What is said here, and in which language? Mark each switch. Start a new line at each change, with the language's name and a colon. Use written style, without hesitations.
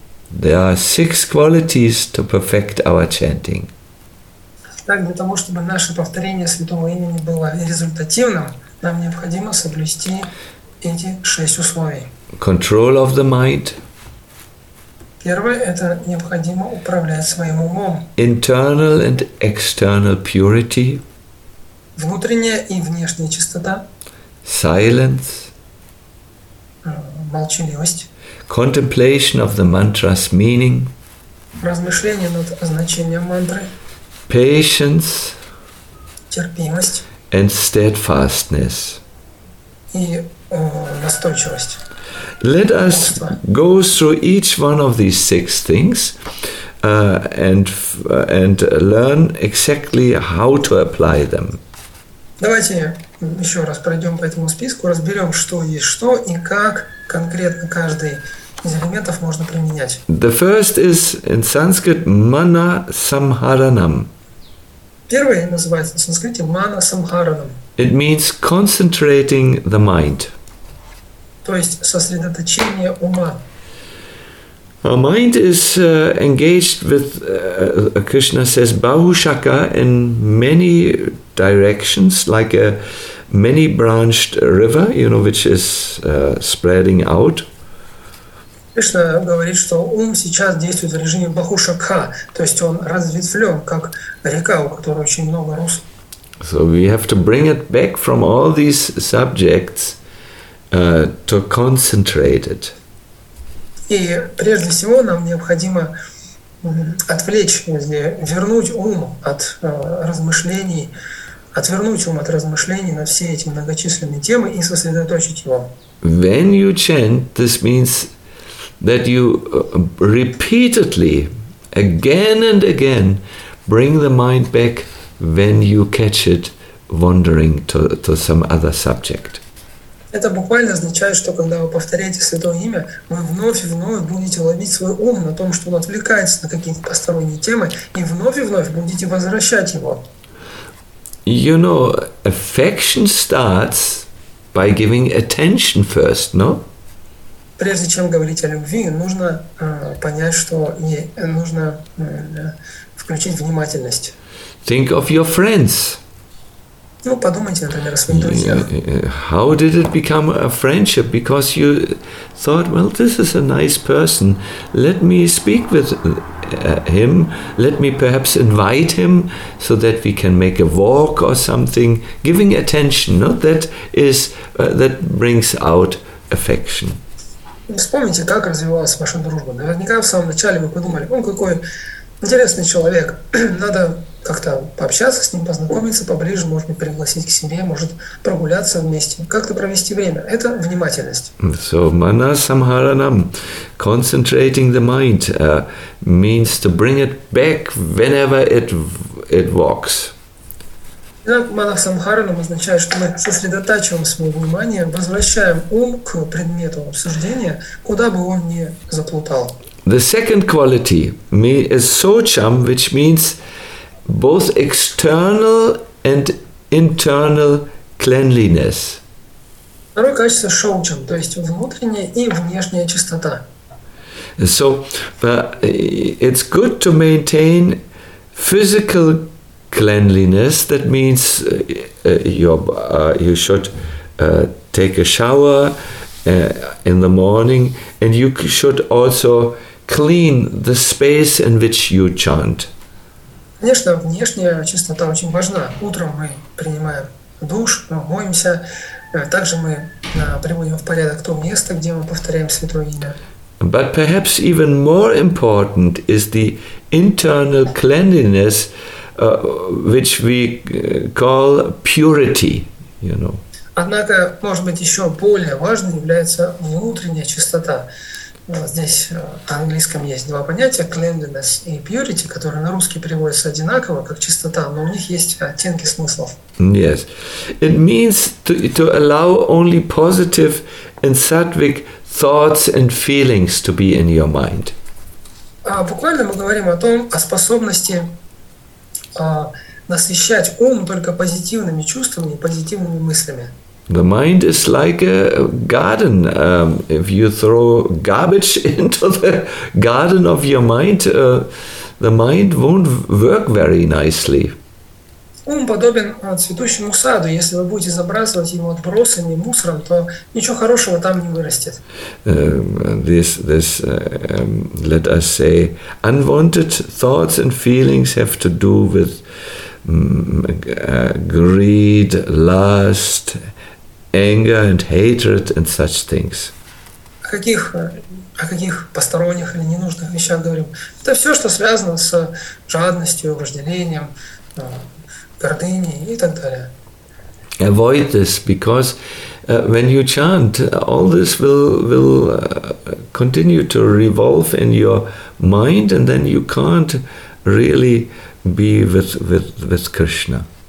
English: There are six qualities to perfect our chanting.
Russian: Так, для того, чтобы наше повторение Святого Имени было результативным, нам необходимо соблюсти эти шесть условий.
English: Control of the mind.
Russian: Первое – это необходимо управлять своим умом.
English: Internal and external purity.
Russian: Внутренняя и внешняя чистота.
English: Silence.
Russian: Молчаливость.
English: Contemplation of the mantra's meaning.
Russian: Размышление над значением мантры.
English: Patience.
Russian: Терпимость.
English: And steadfastness.
Russian: И настойчивость.
English: Let us go through each one of these six things and learn exactly how to apply them.
Russian: Давайте еще раз пройдем по этому списку, разберем, что есть что и как конкретно каждый из элементов можно применять.
English: The first is in Sanskrit mana samharanam.
Russian: Первое называется на санскрите mana samharanam.
English: It means concentrating the mind.
Russian: То есть сосредоточение ума.
English: Our mind is engaged with, Krishna says, bahushaka in many directions, like a many-branched river, you know, which is spreading out.
Russian: Krishna говорит, что ум сейчас действует в режиме бахушака, то есть он разветвлен, как река, у которой очень много русл.
English: So we have to bring it back from all these subjects to concentrate it.
Russian: И прежде всего нам необходимо отвлечь, вернуть ум от размышлений, отвернуть ум от размышлений на все эти многочисленные темы и сосредоточить его.
English: When you chant, this means that you repeatedly, again and again, bring the mind back when you catch it wandering to some other subject.
Russian: Это буквально означает, что когда вы повторяете Святое Имя, вы вновь и вновь будете ловить свой ум на том, что он отвлекается на какие-то посторонние темы, и вновь будете возвращать его.
English: You know, affection starts by giving attention first, no?
Russian: Прежде чем говорить о любви, нужно понять, что нужно включить внимательность.
English: Think of your friends.
Russian: Ну, подумайте, например, о своих друзьях.
English: How did it become a friendship? Because you thought, well, this is a nice person. Let me speak with him. Let me perhaps invite him so that we can make a walk or something. Giving attention, not that is, that brings out affection.
Russian: Вспомните, как развивалась ваша дружба. Наверняка в самом начале вы подумали, он какой интересный человек. Надо как-то пообщаться с ним, познакомиться поближе, может быть, пригласить к себе, может, прогуляться вместе, как-то провести время. Это внимательность.
English: So, manasamharanam, concentrating the mind, means to bring it back whenever it walks.
Russian: Итак, манасамхаранам означает, что мы сосредотачиваем свое внимание, возвращаем ум к предмету обсуждения, куда бы он ни заплутал.
English: The second quality is socham, which means both external and internal cleanliness.
Russian: Второе качество socham, то есть внутренняя и внешняя чистота.
English: So, it's good to maintain physical cleanliness. That means you should take a shower in the morning, and you should also clean the space in which you chant.
Russian: Конечно, внешняя чистота очень важна. Утром мы принимаем душ, мы моемся, также мы приводим в порядок то место, где мы повторяем святое имя.
English: But perhaps even more important is the internal cleanliness, which we call purity, you know.
Russian: Однако, может быть, еще более важной является внутренняя чистота. Здесь на английском есть два понятия cleanliness и purity, которые на русский переводятся одинаково, как чистота, но у них есть оттенки смыслов.
English: Yes. It means to allow only positive and sattvic thoughts and feelings to be in your mind.
Russian: Буквально мы говорим о том, о способности насыщать ум только позитивными чувствами и позитивными мыслями.
English: The mind is like a garden. If you throw garbage into the garden of your mind, the mind won't work very nicely.
Russian: Ум подобен цветущему саду. Если вы будете забрасывать его отбросами, мусором, то ничего хорошего там не вырастет.
English: Let us say, unwanted thoughts and feelings have to do with greed, lust, anger and hatred and such things.
Russian: О каких посторонних или ненужных вещах говорим? Это все, что связано с жадностью, вожделением, гордыней и так далее.
English: Avoid this, because when you chant, all this will continue to revolve in your mind, and then you can't really be with Krishna.